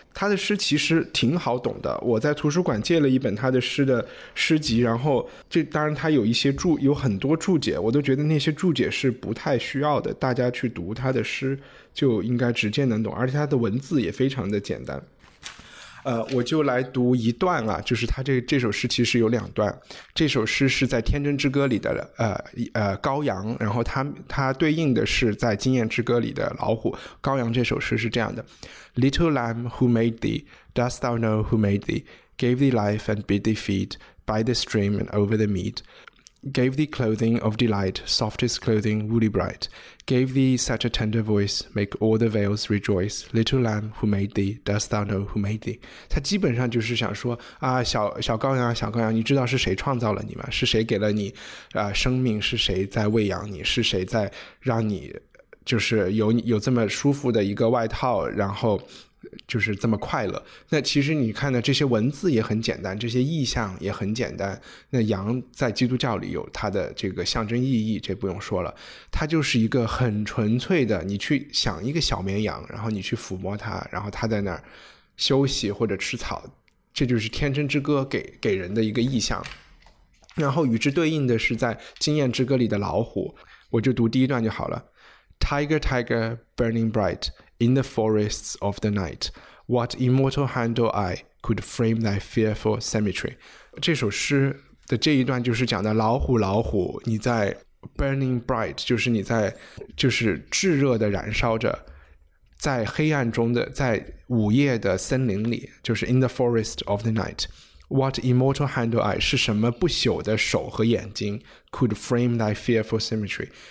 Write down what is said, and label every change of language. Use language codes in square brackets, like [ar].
[zh] 他的诗其实挺好懂的，我在图书馆借了一本他的诗的诗集，然后这当然他有一些注，有很多注解，我都觉得那些注解是不太需要的，大家去读他的诗就应该直接能懂，而且他的文字也非常的简单。我就来读一段啊，就是他这首诗其实有两段，这首诗是在《天真之歌》里的羔羊，然后他对应的是在《经验之歌》里的老虎。羔羊这首诗是这样的 ： [en] Little lamb, who made thee? Dost thou know who made thee? Gave thee life and bid thee feed by the stream and over the mead. Gave thee clothing of delight, softest clothing, woolly bright. Gave thee such a tender voice, make all the vales rejoice. Little lamb, who made thee? Dost thou know who made thee? [zh] 他基本上就是想说啊，小羔羊，你知道是谁创造了你吗？是谁给了你生命？是谁在喂养你？是谁在让你就是有这么舒服的一个外套，然后就是这么快乐。那其实你看呢，这些文字也很简单，这些意象也很简单，那羊在基督教里有它的这个象征意义，这不用说了，它就是一个很纯粹的，你去想一个小绵羊，然后你去抚摸它，然后它在那儿休息或者吃草，这就是天真之歌给人的一个意象。然后与之对应的是在经验之歌里的老虎，我就读第一段就好了。 [en] Tiger, tiger, burning brightIn the forests of the night, what immortal hand or eye could frame thy fearful symmetry? [zh] 这首诗的这一段就是讲的老虎，老虎，你在 [en] burning bright, [zh] 就是你在就是炙热的燃烧着，在黑暗中的，在午夜的森林里，就是 [en] in the forest of the night, what immortal hand or eye [zh] 是什么不朽的手和眼睛 [en] could frame thy fearful symmetry?